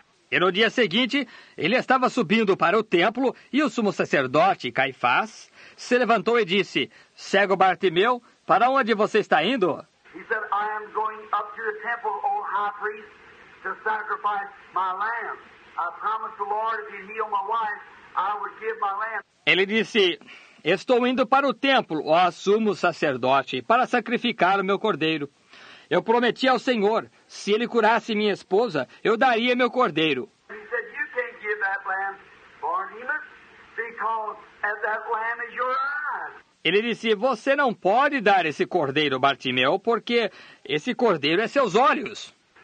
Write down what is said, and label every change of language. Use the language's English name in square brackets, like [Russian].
[Portuguese] E no dia seguinte, ele estava subindo para o templo e o sumo sacerdote, Caifás, se levantou e disse: Cego Bartimeu, para onde você está indo? [English] He said, I am going up to the temple, O high priest, to sacrifice my lamb. I promised the Lord if he'd heal my wife, I would give my lamb. [Portuguese] Ele disse: Estou indo para o templo, ó sumo sacerdote, para sacrificar o meu cordeiro. Eu prometi ao Senhor, se ele curasse minha esposa, eu daria meu cordeiro. [English] He said, you can't give that lamb, Barnabas, because that lamb is your eyes. [Portuguese] Ele disse: Você não pode dar esse cordeiro, Bartimeu, porque esse cordeiro é seus olhos.